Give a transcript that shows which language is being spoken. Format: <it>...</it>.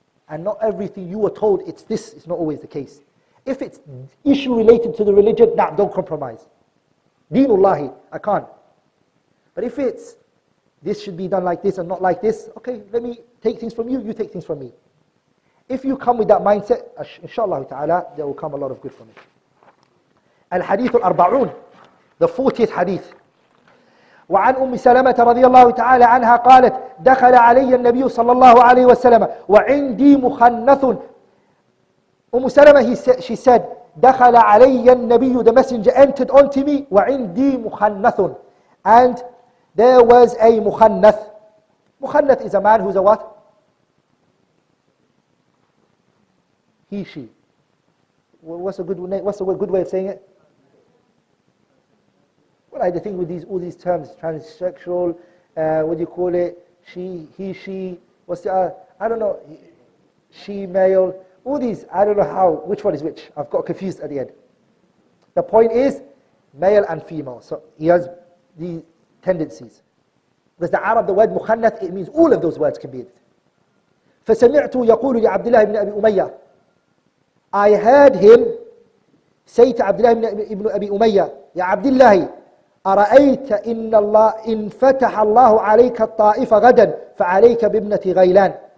<en>And not everything you were told, it's this, is not always the case. If it's issue related to the religion, nah, don't compromise. Deenullahi, I can't. But if it's, this should be done like this and not like this, okay, let me take things from you, you take things from me. If you come with that mindset, inshallah ta'ala, there will come a lot of good from it. Al-Hadith al-Arba'un, the 40th Hadith.</en> <ar>وعن أم سلمة رضي الله تعالى عنها قالت دخل علي النبي صلى الله عليه وسلم وعندي مخنث.</ar> <en>أم سلمة, she said,</en> <ar>دخل علي النبي,</ar> <en>the messenger entered onto me,</en> <ar>وعندي مخنث,</ar> <en>and there was a مخنث. مخنث is a man who's a what? He, she. What's a good way of saying it? Like the thing with these, all these terms, transsexual, what do you call it? She, he, she, what's the, I don't know, she, male, all these, I don't know how, which one is which. I've got confused at the end. The point is, male and female. So he has these tendencies. Because the Arab, the word mukhannath, it means all of those words can be it.</en> <ar>فَسَمِعْتُ يَقُولُ لِعَبْدِلَّهِ بْنِ أَبِي أُمَيَّةِ.</ar> <en>I heard him say to Abdullah ibn Abi Umayyah,</en> <ar>يَا عَبْدِلَّهِ أرأيت إن الله إن فتح الله عليك الطائف غدا فعليك بابنة غيلان.</ar>